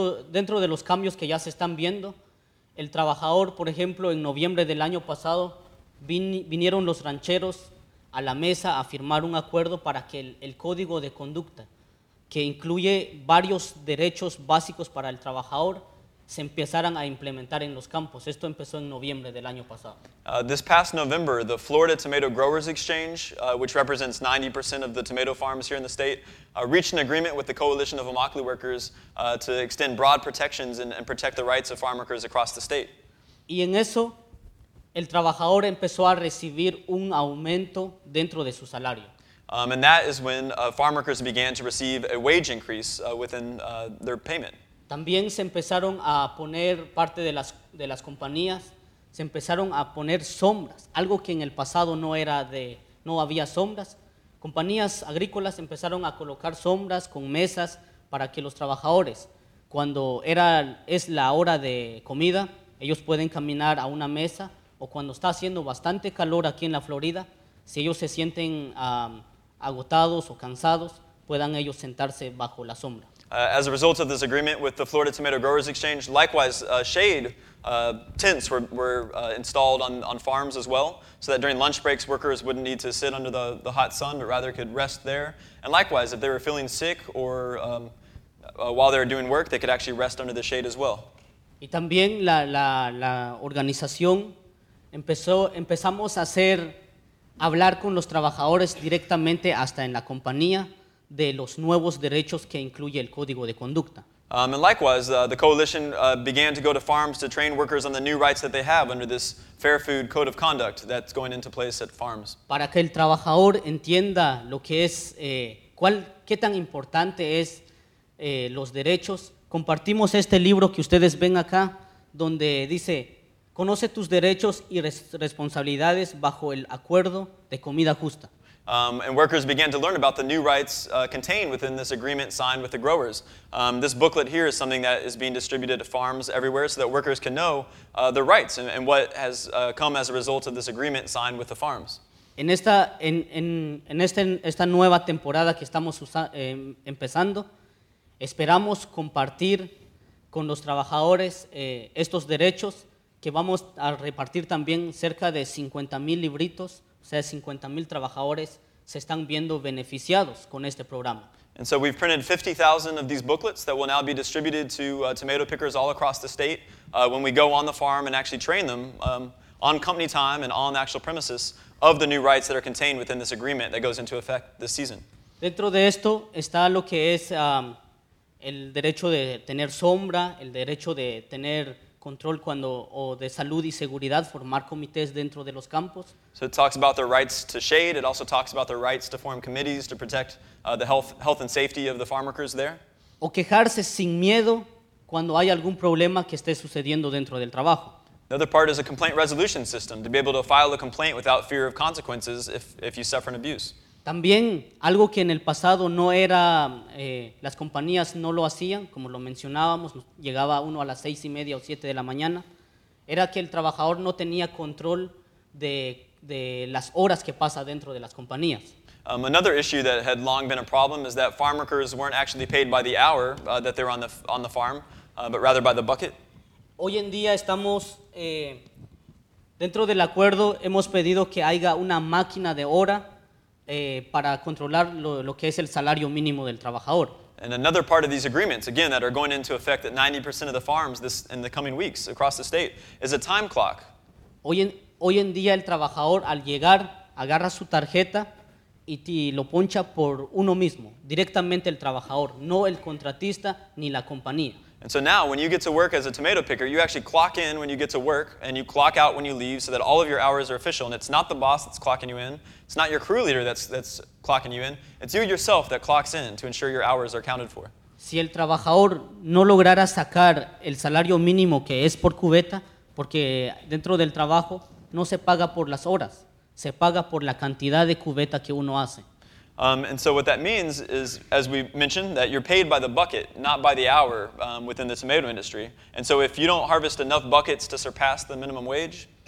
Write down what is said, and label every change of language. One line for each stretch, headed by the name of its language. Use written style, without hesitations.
Spanish: Dentro de los cambios que ya se están viendo, el trabajador, por ejemplo, en noviembre del año pasado, vinieron los rancheros a la mesa a firmar un acuerdo para que el código de conducta, que incluye varios derechos básicos para el trabajador, se empezaran a implementar en los campos. Esto empezó en noviembre del año pasado.
English: This past November, the Florida Tomato Growers Exchange, which represents 90% of the tomato farms here in the state, reached an agreement with the Coalition of Immokalee Workers to extend broad protections and protect the rights of farm workers across the state.
Spanish: Y en eso, el trabajador empezó a recibir un aumento dentro de su salario.
English: And that is when farm workers began to receive a wage increase within their payment.
Spanish: También se empezaron a poner parte de las compañías, se empezaron a poner sombras, algo que en el pasado no había sombras. Compañías agrícolas empezaron a colocar sombras con mesas para que los trabajadores, cuando es la hora de comida, ellos pueden caminar a una mesa, o cuando está haciendo bastante calor aquí en la Florida, si ellos se sienten agotados o cansados, puedan ellos sentarse bajo la sombra.
English: As a result of this agreement with the Florida Tomato Growers Exchange, likewise, shade tents were installed on farms as well, so that during lunch breaks, workers wouldn't need to sit under the hot sun, but rather could rest there. And likewise, if they were feeling sick or while they were doing work, they could actually rest under the shade as well.
Spanish: Y también la organización empezamos a hablar con los trabajadores directamente hasta en la compañía, de los nuevos derechos que incluye el código de conducta.
English: And likewise, the coalition began to go to farms to train workers on the new rights that they have under this Fair Food Code of Conduct that's going into place at farms.
Spanish: Para que el trabajador entienda lo que es qué tan importante es los derechos. Compartimos este libro que ustedes ven acá, donde dice, conoce tus derechos y responsabilidades bajo el acuerdo de comida justa.
English: And workers began to learn about the new rights contained within this agreement signed with the growers. This booklet here is something that is being distributed to farms everywhere so that workers can know their rights and what has come as a result of this agreement signed with the farms.
Spanish: En esta nueva temporada que estamos empezando, esperamos compartir con los trabajadores estos derechos que vamos a repartir también cerca de 50,000 libritos. O sea, 50,000 trabajadores se están viendo beneficiados con este programa.
English: And so we've printed 50,000 of these booklets that will now be distributed to tomato pickers all across the state when we go on the farm and actually train them on company time and on the actual premises of the new rights that are contained within this agreement that goes into effect this season.
Spanish: Dentro de esto está lo que es el derecho de tener sombra, el derecho de tener control cuando o de salud y seguridad, formar comités dentro de los campos.
English: So it talks about their rights to shade. It also talks about their rights to form committees to protect the health and safety of the farm workers there.
Spanish: O quejarse sin miedo cuando hay algún problema que esté sucediendo dentro del trabajo.
English: The other part is a complaint resolution system, to be able to file a complaint without fear of consequences if you suffer an abuse.
Spanish: También algo que en el pasado no era, las compañías no lo hacían, como lo mencionábamos, llegaba uno a las 6:30 o 7 de la mañana, era que el trabajador no tenía control de las horas que pasa dentro de las compañías.
English: Another issue that had long been a problem is that farm workers weren't actually paid by the hour that they're on the farm, but rather by the bucket.
Spanish: Hoy en día estamos, dentro del acuerdo hemos pedido que haya una máquina de hora para controlar lo que es el salario mínimo del trabajador.
English: And another part of these agreements, again, that are going into effect at 90% of the farms this in the coming weeks across the state, is a time clock.
Spanish: Hoy en día el trabajador al llegar agarra su tarjeta y lo poncha por uno mismo, directamente el trabajador, no el contratista ni la compañía.
English: And so now, when you get to work as a tomato picker, you actually clock in when you get to work, and you clock out when you leave, so that all of your hours are official. And it's not the boss that's clocking you in. It's not your crew leader that's clocking you in. It's you yourself that clocks in to ensure your hours are counted for.
Spanish: Si el trabajador no lograra sacar el salario mínimo que es por cubeta, porque dentro del trabajo no se paga por las horas, se paga por la cantidad de cubeta que uno hace.
English: And so what that means is, as we mentioned, that you're paid by the bucket, not by the hour within the tomato industry. And so if you don't harvest enough buckets to surpass the minimum wage,